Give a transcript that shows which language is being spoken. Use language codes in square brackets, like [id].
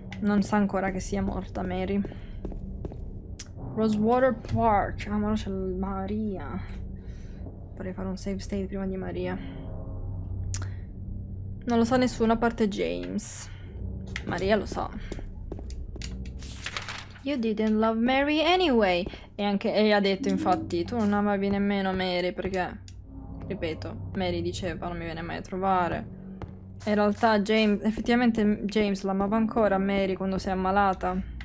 [it] Non sa ancora che sia morta Mary. Rosewater Park. Ah, ma c'è Maria. Vorrei fare un save state prima di Maria. Non lo sa nessuno a parte James. Maria lo sa. [en] You didn't love Mary anyway. [it] E ha detto infatti, tu non amavi nemmeno Mary perché... ripeto, Mary diceva non mi viene mai a trovare. In realtà James l'amava ancora Mary quando si è ammalata.